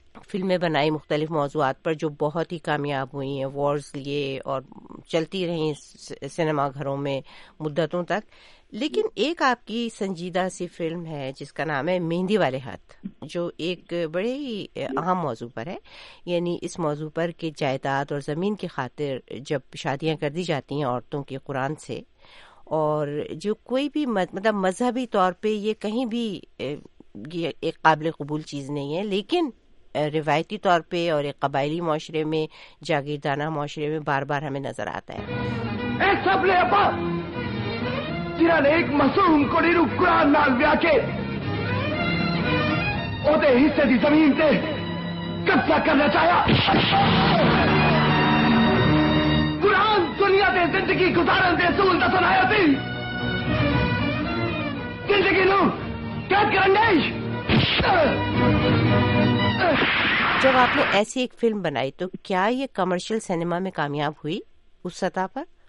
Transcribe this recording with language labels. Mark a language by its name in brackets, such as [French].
[Urdu] فلمیں بنائی مختلف موضوعات پر جو بہت ہی کامیاب ہوئی ہیں اوارڈز لیے اور چلتی رہیں سینما گھروں میں مدتوں تک لیکن ایک آپ کی سنجیدہ سی فلم ہے جس کا نام ہے مہندی والے ہاتھ جو ایک بڑے ہی اہم موضوع پر ہے یعنی اس موضوع پر کہ جائیداد اور زمین کی خاطر جب شادیاں کر دی جاتی ہیں عورتوں کے قرآن سے اور جو کوئی بھی مطلب مذہبی طور پہ یہ کہیں بھی ایک قابل قبول چیز نہیں ہے لیکن روایتی طور پہ اور ایک قبائلی معاشرے میں جاگیردانہ معاشرے میں بار بار ہمیں نظر آتا ہے [Punjabi] اے سب لے اپا جنہ نے ایک مسوم کڑی نو قرآن نال ویا کے اودے حصے دی زمین تے قبضہ کرنا چاہیا قرآن دنیا دے زندگی گزارن دے اصول دسن آیا سی زندگی نو قید کرن دے [Urdu] جب آپ نے ایسی ایک فلم بنائی تو کیا یہ کمرشل سینما میں کامیاب ہوئی اس سطح پر